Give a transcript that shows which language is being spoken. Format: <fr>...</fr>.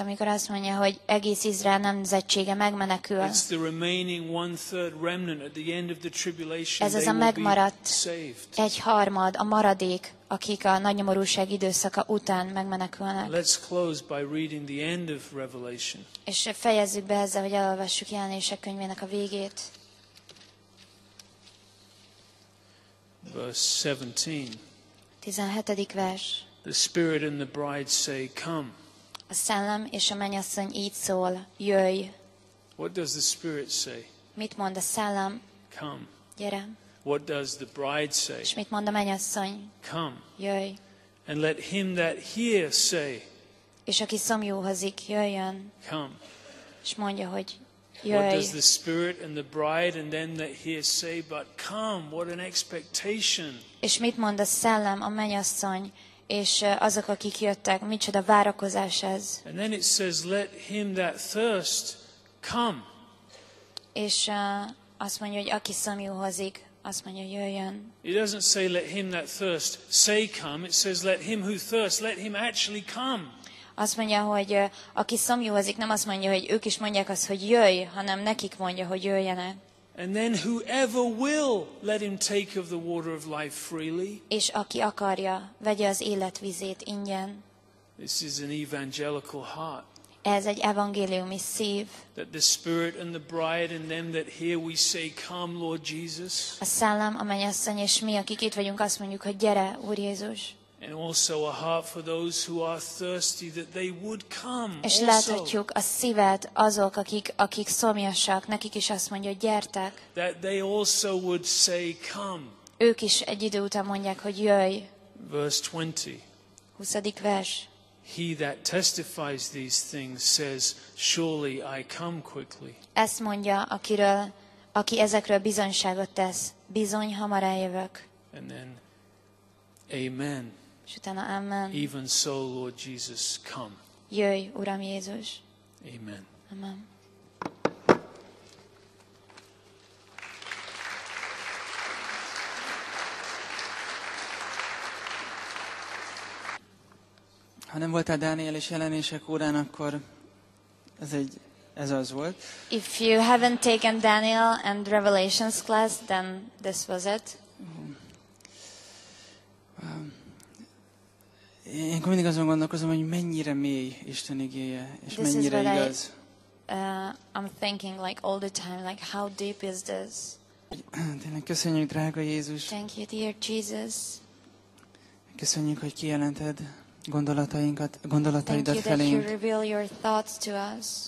<hu>amikor azt mondja, hogy egész Izrael nemzetsége megmenekül.</hu> <en>It's the remaining one-third remnant at the end of the tribulation.</en> <hu>Ez az a megmaradt egy harmad, a maradék, akik a nagy nyomorúság időszaka után megmenekülnek.</hu> <en>Let's close by reading the end of Revelation.</en> <hu>És fejezzük be ezzel, hogy elolvassuk Jelenések könyvének a végét.</hu> <en>Verse 17.</en> <hu>17. vers.</hu> <en>The Spirit and the Bride say, come.</en> <hu>A Szellem és a Mennyasszony így szól, jöjj.</hu> <en>What does the Spirit say?</en> <hu>Mit mond a Szellem?</hu> <en>Come.</en> <hu>Gyere.</hu> <en>What does the bride say?</en> <hu>És mit mond a mennyasszony?</hu> <en>Come.</en> <hu>Jöjj.</hu> <en>And let him that hear say.</en> <hu>És aki szomjúhozik, jöjjön.</hu> <en>Come.</en> <hu>És mondja, hogy jöjj.</hu> <en>What does the spirit and the bride and then that hear say? But come, what an expectation.</en> <hu>És mit mond a szellem, a mennyasszony, és azok, akik jöttek, micsoda várakozás ez.</hu> <en>And then it says, let him that thirst come.</en> <hu>És azt mondja, hogy aki szomjúhozik, azt mondja, jöjjön.</hu> <en>It doesn't say let him that thirst say come. It says let him who thirsts let him actually come.</en> <hu>Azt mondja, hogy aki szomjúhozik, nem azt mondja, hogy ők is mondják azt, hogy jöjj, hanem nekik mondja, hogy jöjjenek.</hu> <en>And then whoever will let him take of the water of life freely.</en> <hu>És aki akarja, vegye az életvizét ingyen.</hu> <en>This is an evangelical heart.</en> <hu>Ez egy evangéliumi szív.</hu> <en>That the Spirit and the Bride and them that hear we say, "Come, Lord Jesus."</en> <hu>A szellem, a mennyasszony és mi, akik itt vagyunk, azt mondjuk, hogy gyere, Úr Jézus.</hu> <en>And also a heart for those who are thirsty that they would come.</en> <hu>És láthatjuk a szívet azok, akik szomjasak, nekik is azt mondja, gyertek.</hu> <en>That they also would say, "Come."</en> <hu>Ők is egy idő után mondják, hogy jöjj.</hu> <en>Verse 20.</en> <hu>20. vers.</hu> <en>He that testifies these things says, "Surely I come quickly."</en> <hu>Ezt mondja, aki ezekről bizonyságot tesz, bizony hamar eljövök.</hu> <en>And then, amen.</en> <hu>És utána, amen.</hu> <en>Even so, Lord Jesus, come.</en> <hu>Jöjj, Uram Jézus.</hu> <en>Amen.</en> <hu>Amen. Ha nem voltál Dániel és jelenések órán, akkor ez az volt.</hu> <en>If you haven't taken Daniel and Revelations class, then this was it.</en> <hu>Én mindig azon gondolkozom, hogy mennyire mély Isten igéje, és this mennyire is igaz.</hu> <en>I'm thinking like all the time, like how deep is this?</en> <hu>Tényleg köszönjük, drága Jézus.</hu> <en>Thank you, dear Jesus.</en> <hu>Köszönjük, hogy kijelented gondolataidat felénk.</hu> <en>Thank you that you reveal your thoughts to us.</en>